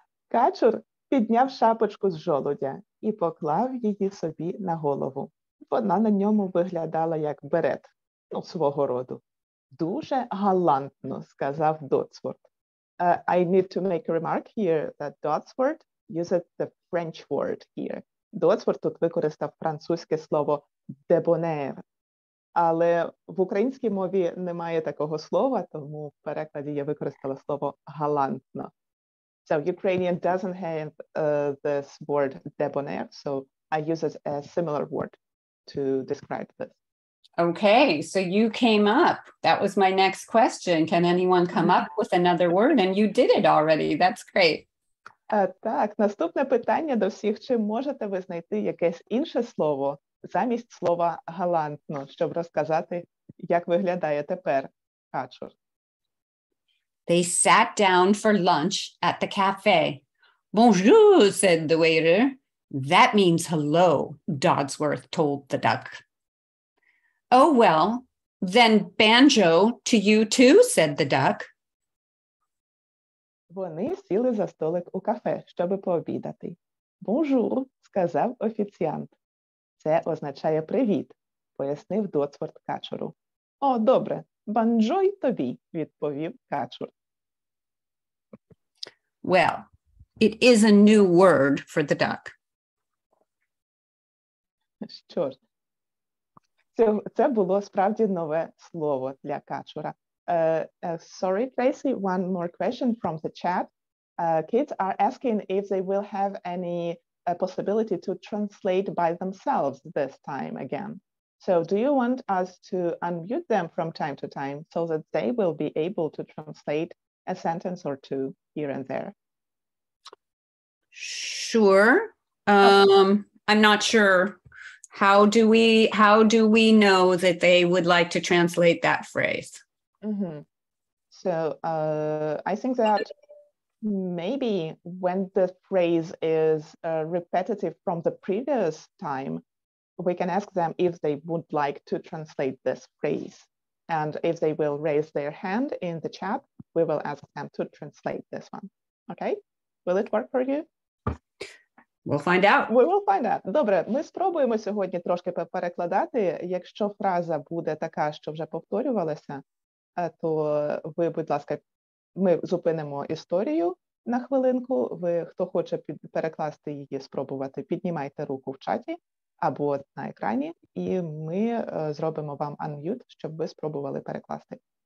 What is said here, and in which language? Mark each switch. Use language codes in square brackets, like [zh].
[uk] Качур підняв шапочку з жолудя і поклав її собі на голову. Вона на ньому виглядала як берет, ну, свого роду. Дуже галантно, сказав Дотсворт. [en] I need to make a remark here that Dodsworth uses the French word here. [uk] Дотсворт тут використав французьке слово debonair, але в українській мові немає такого слова, тому в перекладі я використала слово галантно. [en] So Ukrainian doesn't have this word debonair, so I use a similar word to describe this. Okay, so you came up. That was my next question. Can anyone come up with another word? And you did it already. That's great. [uk] Так, наступне питання до всіх. Чи можете ви знайти якесь інше слово замість слова галантно, щоб розказати, як виглядає тепер качур? [en] They sat down for lunch at the cafe. Bonjour, said the waiter. That means hello, Dodsworth told the duck. Oh, well, Then banjo to you too, said the duck. [uk] Вони сіли за столик у кафе, щоб пообідати. Бонжур, сказав офіціант. Це означає привіт, пояснив Доцворт качуру. О, добре, банджо й тобі, відповів качур. [en] Well, it is a new word for the duck. [uk] Що ж, це було справді нове слово для качура. [en] Sorry, Tracy, one more question from the chat. Kids are asking if they will have any possibility to translate by themselves this time again. So do you want us to unmute them from time to time so that they will be able to translate a sentence or two here and there? Sure. I'm not sure. How do we know that they would like to translate that phrase? Mm-hmm. So I think that maybe when the phrase is repetitive from the previous time, we can ask them if they would like to translate this phrase. And if they will raise their hand in the chat, we will ask them to translate this one. Okay, will it work for you? We'll find out. We will find out. [uk] Добре, ми спробуємо сьогодні трошки перекладати. Якщо фраза буде така, що вже повторювалася, то ви, будь ласка, ми зупинимо історію на хвилинку. Ви, хто хоче перекласти її, спробувати, піднімайте руку в чаті або на екрані, і ми зробимо вам unmute, щоб ви спробували перекласти.